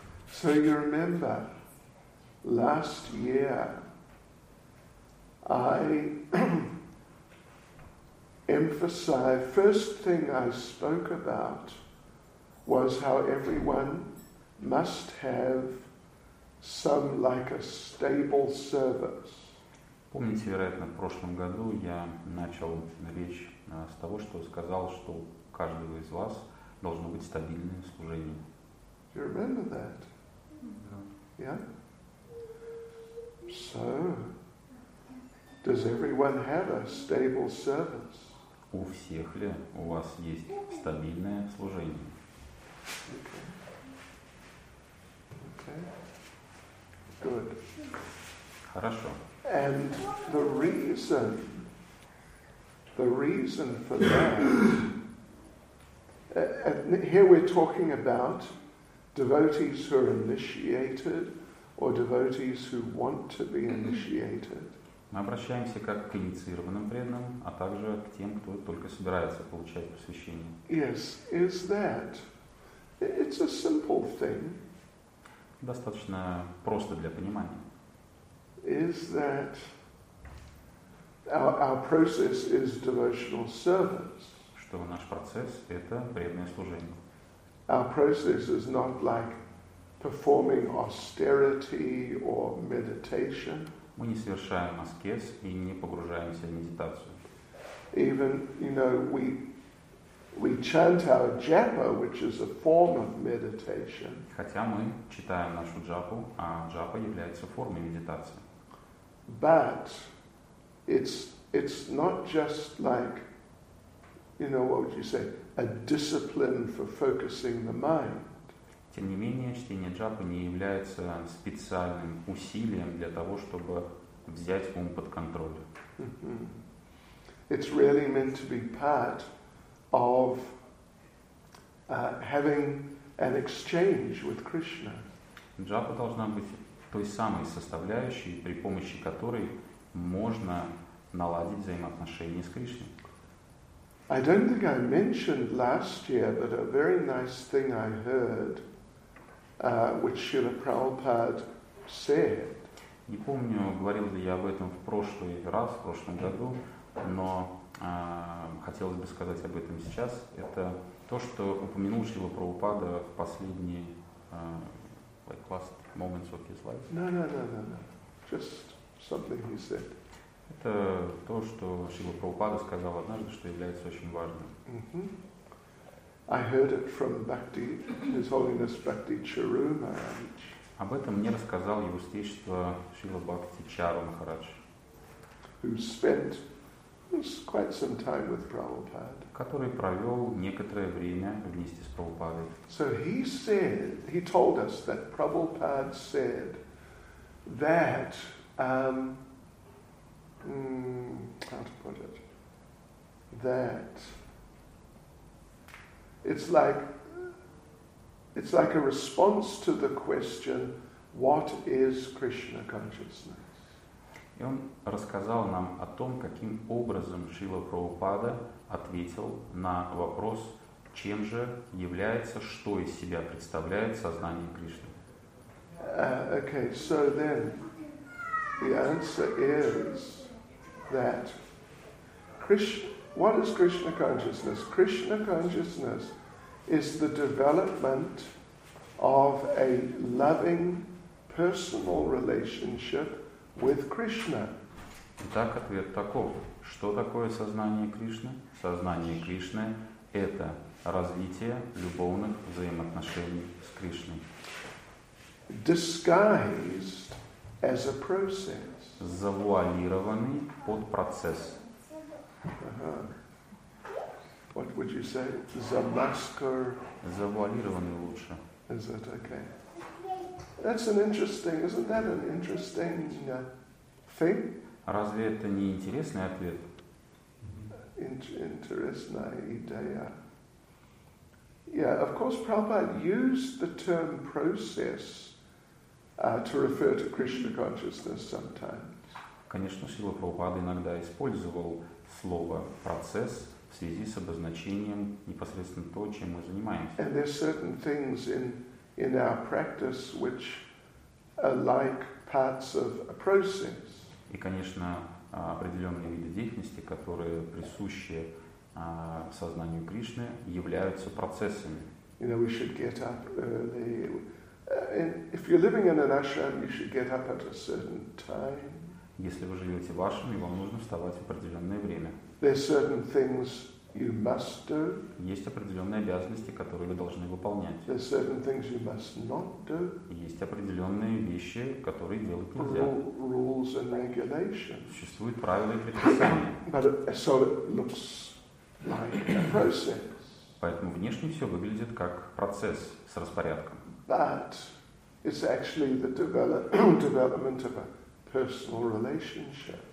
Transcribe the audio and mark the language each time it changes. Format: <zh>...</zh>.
<en>So you remember, last year, I emphasized, first thing I spoke about was how everyone must have some like a stable service.</en> <ru>Помните, вероятно, в прошлом году я начал речь с того, что сказал, что у каждого из вас должно быть стабильное служение.</ru> <en>Do you remember that? Yeah. Yeah? So, does everyone have a stable service?</en> <ru>У всех ли у вас есть стабильное служение?</ru> <en>Okay. Okay. Good.</en> <ru>Хорошо.</ru> <en>And the reason for that, and here we're talking about devotees who are initiated or devotees who want to be initiated.</en> <ru>Мы обращаемся как к инициированным преданным, а также к тем, кто только собирается получать посвящение.</ru> <en>Yes, is that? It's a simple thing.</en> <ru>Достаточно просто для понимания.</ru> <en>Is that our process is devotional service?</en> <ru>Что наш процесс — это преданное служение.</ru> <en>Our process is not like performing austerity or meditation.</en> <ru>Мы не совершаем аскез и не погружаемся в медитацию.</ru> <en>Even, you know, we chant our japa, which is a form of meditation.</en> <ru>Хотя мы читаем нашу джапу, а джапа является формой медитации.</ru> <en>But it's not just like, you know, what would you say, a discipline for focusing the mind.</en> <ru>Тем не менее, чтение джапы не является специальным усилием для того, чтобы взять ум под контроль.</ru> <en>It's really meant to be part of having an exchange with Krishna.</en> <ru>Джапа должна быть той самой составляющей, при помощи которой можно наладить взаимоотношения с Кришной.</ru> <en>I don't think I mentioned last year, but a very nice thing I heard, which Srila Prabhupada said.</en> <ru>Не помню, говорил ли я об этом в прошлый раз, в прошлом году, но хотелось бы сказать об этом сейчас. Это то, что упомянул Шрила Прабхупада в последние</ru> <en>like last moments of his life. No. Just something he said.</en> <ru>Это то, что Шрила Прабхупада сказал однажды, что является очень важным.</ru> <en>I heard it from Bhakti, His Holiness Bhakti Charu Maharaj.</en> <ru>Об этом мне рассказал его святейшество Шрила Бхакти Чару Махарадж.</ru> <en>Who spent quite some time with Prabhupada.</en> <ru>Который провел некоторое время вместе с Прабхупадой.</ru> <en>So he said, he told us that Prabhupada said that how to put it? That it's like a response to the question, what is Krishna consciousness? И он рассказал нам о том, каким образом Шрила Прабхупада ответил на вопрос, чем же является, что из себя представляет сознание Кришны. Okay, so then the answer is that Krishna, what is Krishna consciousness? Krishna consciousness is the development of a loving personal relationship with Krishna.</en> <ru>Итак, ответ таков. Что такое сознание Кришны? Сознание Кришны — это развитие любовных взаимоотношений с Кришной.</ru> <en>Disguised as a process.</en> <ru>Завуалированный под процесс.</ru> <en>Uh-huh. What would you say?</en> <ru>Замаскар. Завуалированный лучше.</ru> <en>Is that okay? That's an interesting, isn't that an interesting thing?</en> <ru>Разве это не интересный ответ? Интересная идея.</ru> <en>Yeah, of course, Prabhupada used the term process to refer to Krishna consciousness sometimes.</en> <ru>Конечно, Шрила Прабхупада иногда использовал слово «процесс» в связи с обозначением непосредственно то, чем мы занимаемся.</ru> <en>And there are certain things in our practice which are like parts of a process.</en> <ru>И, конечно, определенные виды деятельности, которые присущи сознанию Кришны, являются процессами.</ru> <en>You know, we should get up early. If you're living in an ashram, you should get up at a certain time.</en> <ru>Если вы живете в ашраме, вам нужно вставать в определенное время.</ru> <en>There are certain things you must do.</en> <ru>Есть определенные обязанности, которые вы должны выполнять.</ru> <en>There are certain things you must not do.</en> <ru>Есть определенные вещи, которые делать нельзя.</ru> <en>Rules and regulations.</en> <ru>Существуют правила и предписания.</ru> <en>But so it looks like a process.</en> <ru>Поэтому внешне все выглядит как процесс с распорядком.</ru> <en>But it's actually the development of a personal relationship.</en>